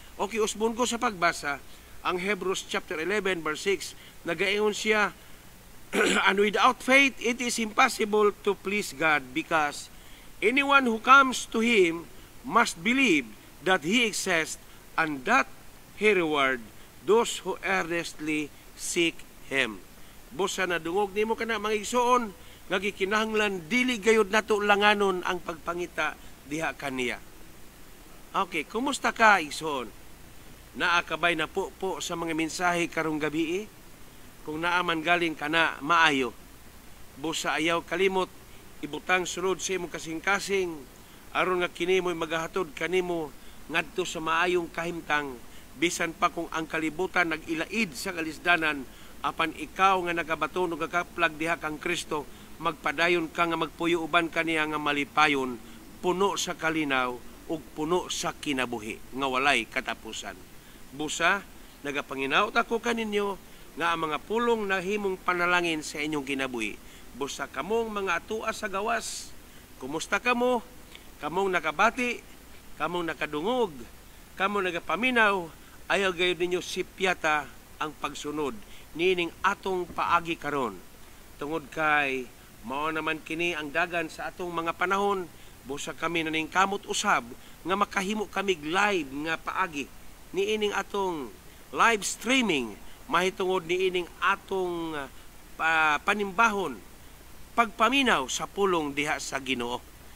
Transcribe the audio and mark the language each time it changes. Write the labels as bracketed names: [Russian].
[Cebuano] Okay, usbon ko sa pagbasa ang [English] Hebrews chapter 11 verse 6, [Cebuano] nagaingon siya, [English] and without faith it is impossible to please God, because anyone who comes to Him must believe that He exists and that He rewards those who earnestly seek Him. [Cebuano] Busa na dungog nimo kana mga igsoon, nga gikinahanglan dili gayud nato langanon ang pagpangita diha kaniya. Okay, kumusta ka igsoon? Naakabay na po sa mga mensahe karong gabi eh? Kung naaman galing kana maayo. Busa ayaw kalimot ibutang sulod sa imong kasing-kasing aron nga kinimoy magahatod kanimo ngadto sa maayong kahimtang, bisan pa kung ang kalibutan nagilaid sa kalisdanan, apan ikaw nga nagabaton og kaplag diha kang Kristo, magpadayon ka nga magpuyo uban kaniya nga malipayon, puno sa kalinaw ug puno sa kinabuhi nga walay katapusan. Busa, nagapanginaot ako kaninyo nga ang mga pulong na himong panalangin sa inyong kinabuhi. Busa kamong mga atua sa gawas, kumusta kamo? Kamong nakabati, kamong nakadungog, kamong nagapaminaw, ayaw gayud ninyo sipyata ang pagsunod niining atong paagi karon. Tungod kay mao naman kini ang dagan sa atong mga panahon, busa kami naning kamot usab nga makahimo kami live nga paagi niining atong live streaming, mahitungod niining atong panimbahon, pagpaminaw sa pulong diha sa Ginoo.